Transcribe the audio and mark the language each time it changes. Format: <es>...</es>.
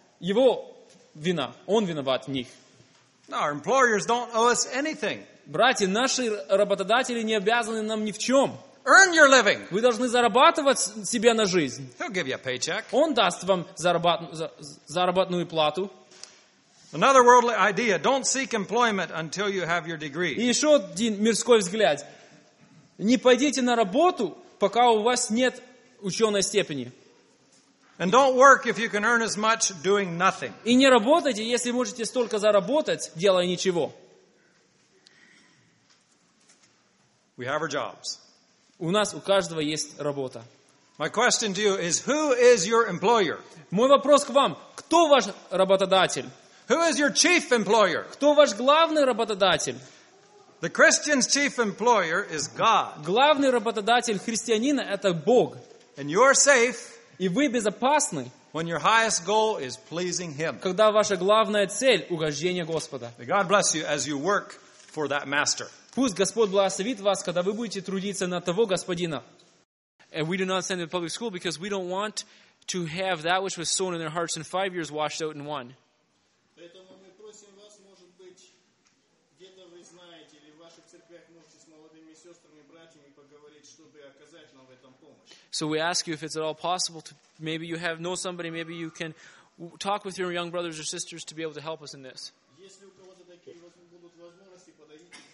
<ru>Его вина. Он виноват в них.</ru> <en>Our employers don't owe us anything.</en> <ru>Братья, наши работодатели не обязаны нам ни в чем.</ru> <en>Earn your living.</en> <ru>Вы должны зарабатывать себе на жизнь.</ru> <en>He'll give you a paycheck.</en> <ru>Он даст вам заработную плату.</ru> <en>Another worldly idea. Don't seek employment until you have your degree.</en> <ru>И еще один мирской взгляд. Не пойдите на работу, пока у вас нет ученой степени.</ru> <en>And don't work if you can earn as much doing nothing.</en> <ru>И не работайте, если можете столько заработать, делая ничего.</ru> <en>We have our jobs.</en> <ru>У нас у каждого есть работа.</ru> <en>My question to you is, who is your employer?</en> <ru>Мой вопрос к вам: кто ваш работодатель?</ru> <en>Who is your chief employer?</en> <ru>Кто ваш главный работодатель?</ru> <en>The Christian's chief employer is God.</en> <ru>Главный работодатель христианина это Бог.</ru> <en>And you're safe.</en> <ru>И вы безопасны.</ru> <en>When your highest goal is pleasing Him.</en> <ru>Когда ваша главная цель угождение Господа.</ru> <en>May God bless you as you work for that master.</en> <ru>Пусть Господь благословит вас, когда вы будете трудиться на того господина.</ru> <en>And we do not send them to public school because we don't want to have that which was sown in their hearts in 5 years washed out in one.</en> <ru>Поэтому мы просим вас, может быть, где-то вы знаете, или в ваших церквях можете с молодыми сестрами, братьями поговорить, чтобы оказать нам в этом помощь.</ru> <en>So we ask you if it's at all possible to maybe you have know somebody, maybe you can talk with your young brothers or sisters to be able to help us in this.</en> <ru>Если у кого-то такие будут возможности, подойдите.</ru>